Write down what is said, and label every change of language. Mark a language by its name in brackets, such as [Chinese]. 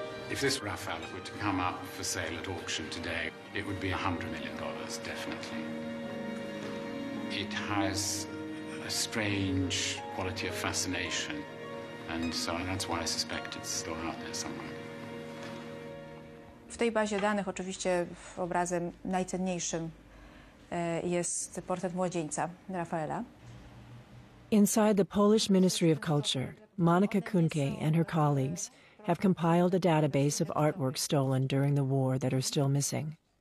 [English] If this Raphael were to come up for sale at auction today, it would be $100 million, definitely. It has a strange quality of fascination, and so that's why I suspect it's still out there somewhere. [Polish] W tej bazie danych oczywiście obrazem najcenniejszym jest portret młodzieńca Rafaela. [English] Inside the Polish Ministry of Culture, Monika Kunke and her colleagues have compiled a database of artworks stolen during the war that are still missing.